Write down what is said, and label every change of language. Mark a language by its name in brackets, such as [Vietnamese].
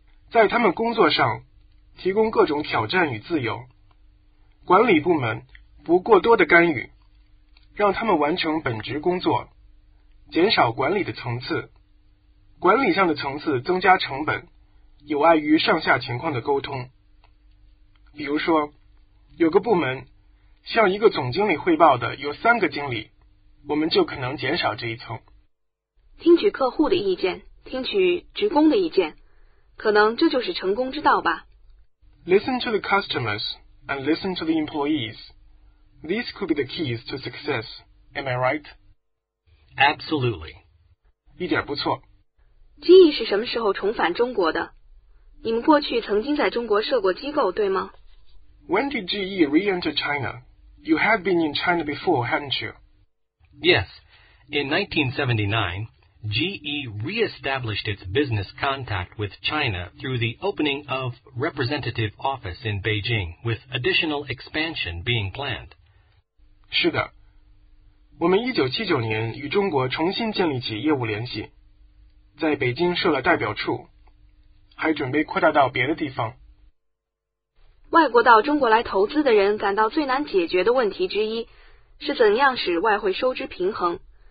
[Chinese] 在他们工作上提供各种挑战与自由，管理部门不过多的干预，让他们完成本职工作，减少管理的层次，管理上的层次增加成本，有碍于上下情况的沟通。比如说，有个部门向一个总经理汇报的有三个经理，我们就可能减少这一层。听取客户的意见，听取职工的意见，可能这就是成功之道吧。 [English] Listen to the customers and listen to the employees. These could be the keys to success. Am I right? Absolutely. [Chinese] 一点不错。 GE 是什么时候重返中国的？你们过去曾经在中国设过机构，对吗？ [English] When did GE re-enter China? You had been in China before, hadn't you? Yes. In 1979, GE re-established its business contact with China through the opening of representative office in Beijing, with additional expansion being planned. [Chinese] 是的。我们1979年与中国重新建立起业务联系，在北京设了代表处，还准备扩大到别的地方。外国到中国来投资的人感到最难解决的问题之一是怎样使外汇收支平衡。